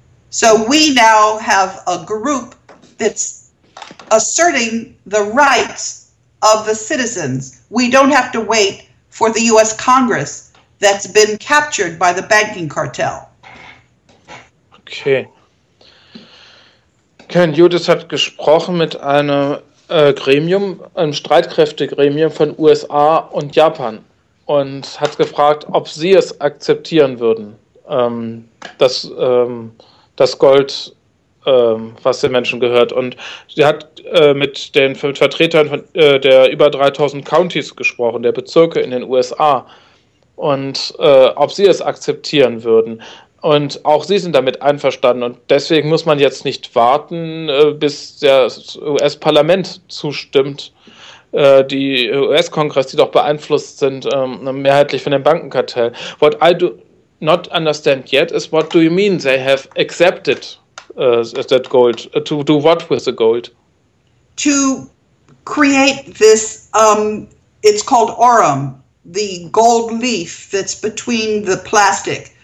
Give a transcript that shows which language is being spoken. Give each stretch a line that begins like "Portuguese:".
English: So we now have a group that's asserting the rights of the citizens. We don't have to wait for the U.S. Congress that's been captured by the banking cartel. Okay.
German: Ken Judith hat gesprochen mit einem Gremium, einem Streitkräftegremium von USA und Japan und hat gefragt, ob sie es akzeptieren würden, das Gold, was den Menschen gehört. Und sie hat mit den Vertretern von, der über 3000 Counties gesprochen, der Bezirke in den USA, und ob sie es akzeptieren würden. Und auch sie sind damit einverstanden. Und deswegen muss man jetzt nicht warten, bis das US-Parlament zustimmt, die US-Kongress, die doch beeinflusst sind, mehrheitlich von dem Bankenkartell.
English: What I do not understand yet is, what do you mean they have accepted that gold? To do what with the gold? To create this, it's called aurum, the gold leaf that's between the plastic.